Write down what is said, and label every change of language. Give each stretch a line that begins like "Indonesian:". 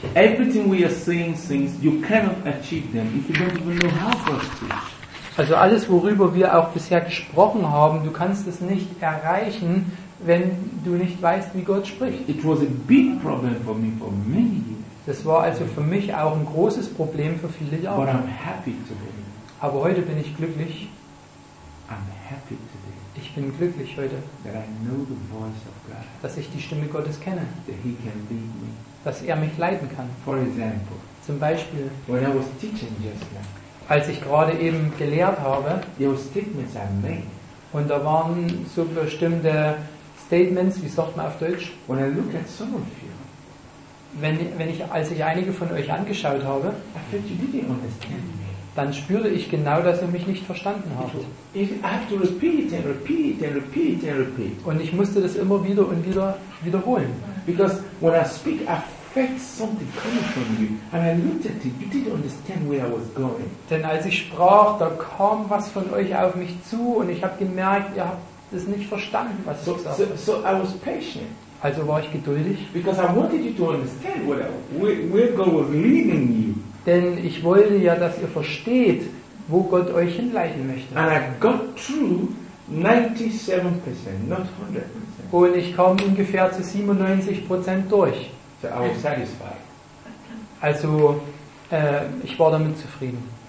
English: Everything we are saying, things you cannot achieve them if you don't even know how to speak.
German: Also alles, worüber wir auch bisher gesprochen haben, du kannst es nicht erreichen, wenn du nicht weißt, wie Gott spricht.
English: It was a big problem for me for many years.
German: Das war also für mich auch ein großes Problem für viele Jahre.
English: But I'm happy today.
German: Aber heute bin ich glücklich.
English: I'm happy today.
German: Ich bin glücklich heute.
English: That I know the voice of God.
German: Dass ich die Stimme Gottes kenne.
English: That he can lead me.
German: Dass er mich leiten kann.
English: For example,
German: zum Beispiel,
English: when I was teaching just now,
German: als ich gerade eben gelehrt habe,
English: there were statements I made.
German: Und da waren so bestimmte Statements, wie sagt man auf Deutsch?
English: When I look at some of you,
German: als ich einige von euch angeschaut habe,
English: I felt you didn't understand me.
German: Dann spürte ich genau, dass ihr mich nicht verstanden habt.
English: I have to repeat and repeat and repeat and repeat.
German: Und ich musste das immer wieder und wieder wiederholen.
English: Because when I speak, I felt something coming from you. And I looked at it, you didn't understand where I was going.
German: Denn als ich sprach, da kam was von euch auf mich zu und ich habe gemerkt, ihr habt ist nicht verstanden, was ich gesagt habe.
English: So I was patient.
German: Also war ich geduldig.
English: Because I wanted you to understand where God was leading you.
German: Denn ich wollte ja, dass ihr versteht, wo Gott euch hinleiten möchte.
English: And I got through 97%, not 100%.
German: Und ich kam ungefähr zu 97% durch.
English: So I was satisfied.
German: Also ich war damit zufrieden.